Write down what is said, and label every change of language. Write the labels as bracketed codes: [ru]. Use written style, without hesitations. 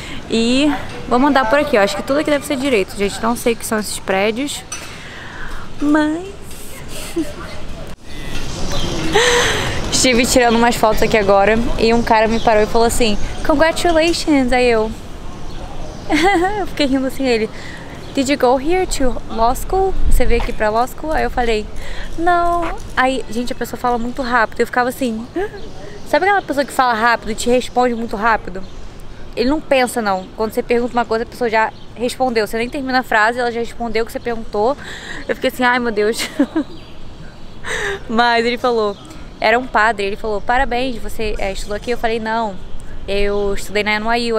[pt] E vou mandar por aqui. Eu acho que tudo aqui deve ser direito, gente. Não sei o que são esses prédios, mas estive tirando umas fotos aqui agora e um cara me parou e falou assim, congratulations. Aí eu fiquei rindo assim, ele, [en] did you go here to law school? [pt] Você veio aqui pra law school? Aí eu falei, não. Aí, gente, a pessoa fala muito rápido. Eu ficava assim, sabe aquela pessoa que fala rápido e te responde muito rápido? Ele não pensa, não. Quando você pergunta uma coisa, a pessoa já respondeu. Você nem termina a frase, ela já respondeu o que você perguntou. Eu fiquei assim, ai meu Deus. Mas ele falou, era um padre, ele falou, parabéns, você estudou aqui? Eu falei, não, eu estudei na NYU.